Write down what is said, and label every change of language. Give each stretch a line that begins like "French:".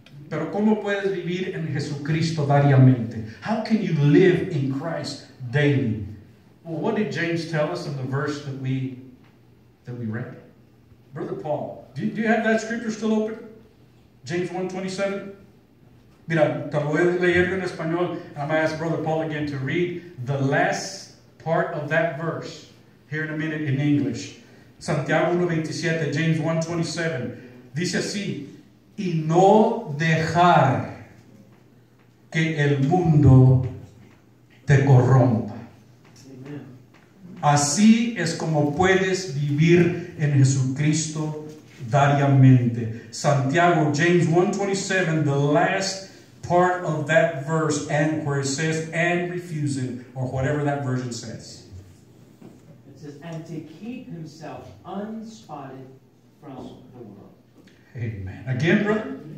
Spanish: Pero ¿cómo puedes vivir en Jesucristo diariamente?
English: How can you live in Christ daily? Well, what did James tell us in the verse that we read? Brother Paul, do you have that scripture still open? James 1:27?
Spanish: Mira, te lo voy a leer en español.
English: I'm going to ask Brother Paul again to read the last part of that verse here in a minute in English.
Spanish: Santiago 1:27, James 1:27. Dice así, y no dejar que el mundo te corrompa. Así es como puedes vivir en Jesucristo diariamente.
English: Santiago, James 1:27, the last part of that verse, and where it says, and refusing, or whatever that version says. It says, and to keep himself unspotted from the world. Amen. Again, brother?